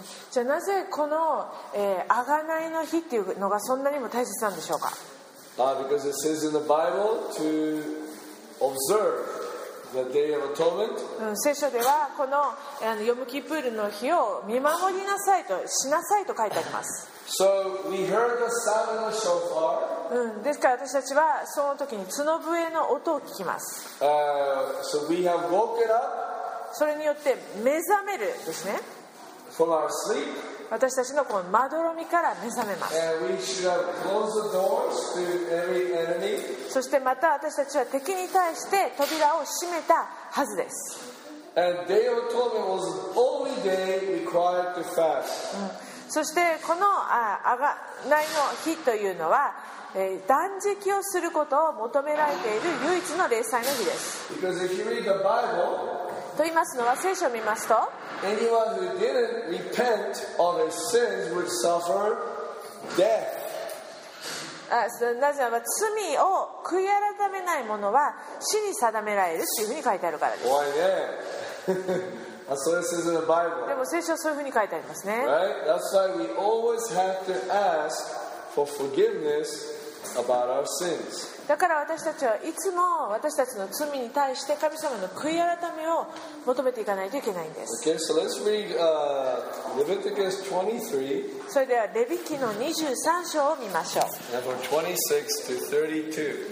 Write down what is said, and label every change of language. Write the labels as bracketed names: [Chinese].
[Japanese] じゃあなぜこの、贖いの日っていうのがそんなにも大切なんでしょうか。 [English] Because it says in the Bible to observe the Day of Atonement. [Japanese] 聖書ではこのヨムキプールの日を見守りなさいとしなさいと書いてあります。 [English] So we heard the sound of shofar. [Japanese] ですから私たちはその時に角笛の音を聞きます。 [English] So we have woken up. [Japanese] それによって目覚めるですね。 [English] From our sleep. [Japanese] 私たちのこのまどろみから目覚めます。 [English] And we should have closed the doors to every enemy. [Japanese] そしてまた私たちは敵に対して扉を閉めたはずです。 [English] And Day of Atonement was the only day required to fast. [Japanese] そしてこの贖いの日というのは、断食をすることを求められている唯一の礼祭の日です。 [English] Because if you read the Bible, [Japanese] と言いますのは聖書を見ますと、 [English] Anyone who didn't repent of his sins would suffer death. [Japanese] なぜなら罪を悔い改めない者は死に定められるというふうに書いてあるからです。 [English] Why then? So、this is in the Bible. [Japanese] でも聖書はそういうふうに書いてありますね。 [English] Right? That's why we always have to ask for forgiveness about our sins. [Japanese] だから私たちはいつも私たちの罪に対して神様の悔い改めを求めていかないといけないんです。 [English] Okay, so let's read, Leviticus 23. [Japanese] それではレビ記の23章を見ましょう。 [English] And from 26 to 32.